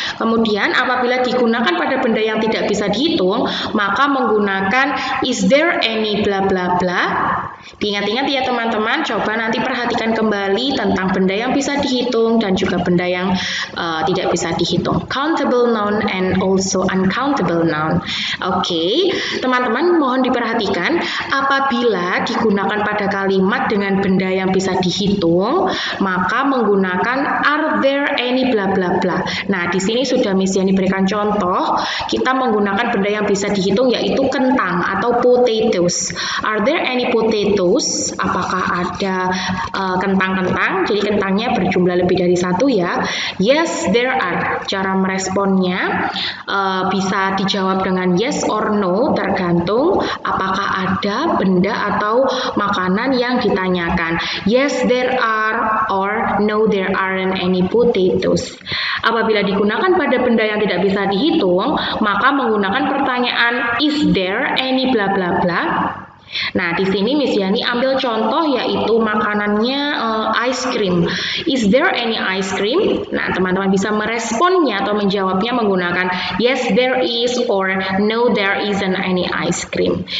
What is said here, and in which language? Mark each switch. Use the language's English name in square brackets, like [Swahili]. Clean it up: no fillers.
[Indonesian] Kemudian apabila digunakan pada benda yang tidak bisa dihitung, maka menggunakan [English] is there any [Indonesian] bla bla bla. Ingat-ingat ya teman-teman, coba nanti perhatikan kembali tentang benda yang bisa dihitung dan juga benda yang tidak bisa dihitung. [English] Countable noun and also uncountable noun. [Indonesian] Oke, teman-teman mohon diperhatikan, apabila digunakan pada kalimat dengan benda yang bisa dihitung, maka menggunakan [English] are there any [Indonesian] bla bla bla. Nah, di sini sudah Miss Yani berikan contoh, kita menggunakan benda yang bisa dihitung yaitu kentang atau potatoes. [English] Are there any potatoes? [Indonesian] Apakah ada kentang-kentang? Jadi kentangnya berjumlah lebih dari satu ya. [English] Yes, there are. [Indonesian] Cara meresponnya bisa dijawab dengan yes or no, tergantung apakah ada benda atau makanan yang ditanyakan. [English] Yes, there are, or no, there aren't any potatoes. [Indonesian] Apabila digunakan pada benda yang tidak bisa dihitung, maka menggunakan pertanyaan [English] is there any [Indonesian] bla bla bla. Nah, di sini Miss Yani ambil contoh yaitu makanannya ice cream. [English] Is there any ice cream? [Indonesian] Nah, teman-teman bisa meresponnya atau menjawabnya menggunakan [English] yes there is or no there isn't any ice cream.